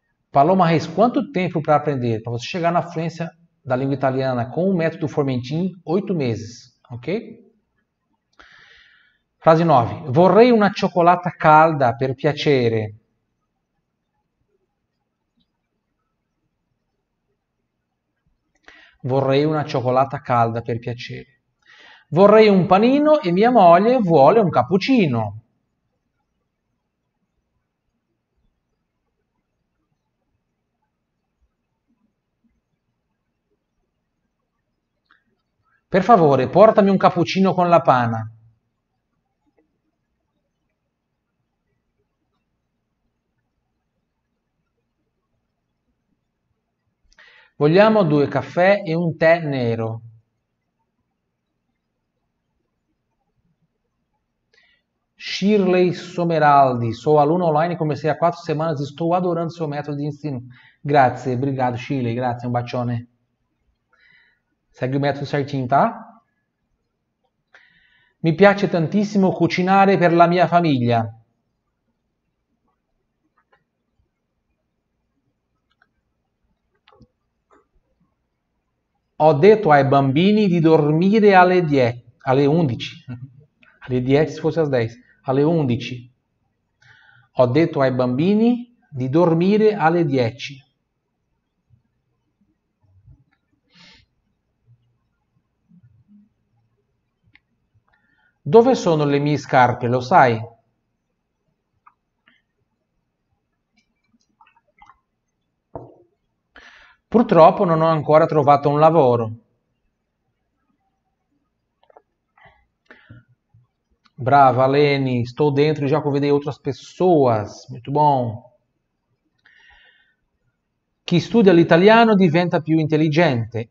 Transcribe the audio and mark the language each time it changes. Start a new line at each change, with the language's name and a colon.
Portuguese: Paloma Reis, quanto tempo para aprender? Para você chegar na fluência da língua italiana com o método Formentin, 8 meses. Ok? Frase 9.
Italian: Vorrei una cioccolata calda per piacere. Vorrei una cioccolata calda per piacere. Vorrei un panino e mia moglie vuole un cappuccino. Per favore, portami un cappuccino con la pana. Vogliamo due caffè e un tè nero.
Portuguese: Shirley Someraldi, sou aluno online, comecei há 4 semanas, estou adorando seu método de ensino. Grazie, obrigado, Shirley, grazie, um bacione. Segue o método certinho, tá?
Italian: Mi piace tantissimo cucinare per la mia famiglia. Ho detto ai bambini di dormire alle 10, alle 11. Alle 10 se fosse alle 10, alle 11. Ho detto ai bambini di dormire alle 10. Dove sono le mie scarpe, lo sai? Purtroppo non ho ancora trovato un lavoro.
Portuguese: Brava, Leni,
Italian: sto dentro e già
Portuguese: convidei outras pessoas. Muito bom.
Italian: Chi studia l'italiano diventa più intelligente.